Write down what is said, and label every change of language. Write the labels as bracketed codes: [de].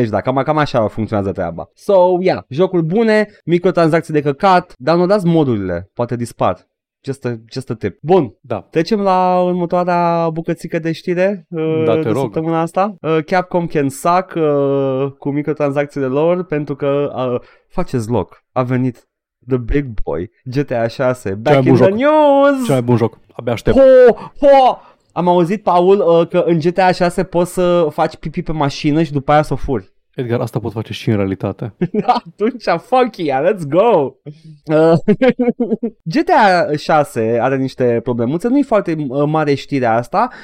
[ro] Deci da, cam așa funcționează treaba. [en] So, yeah, [ro] jocuri bune, microtransacții de căcat, dar nu dați modurile, poate dispar. [en] Just a tip. [ro] Bun, da. Trecem la următoarea bucățică de știre de rog. Săptămâna asta. Capcom [en] can suck [ro] cu microtransacțiile lor, pentru că faceți loc. A venit [en] the big boy, GTA 6, back in the news. [ro] Cel mai bun joc, abia aștept. Am auzit, Paul, că în GTA 6 poți să faci pipi pe mașină și după aia să o furi. Edgar, asta pot face și în realitate. Atunci, [en] fuck yeah, let's go! [ro] GTA 6 are niște problemuțe, nu-i foarte mare știrea asta.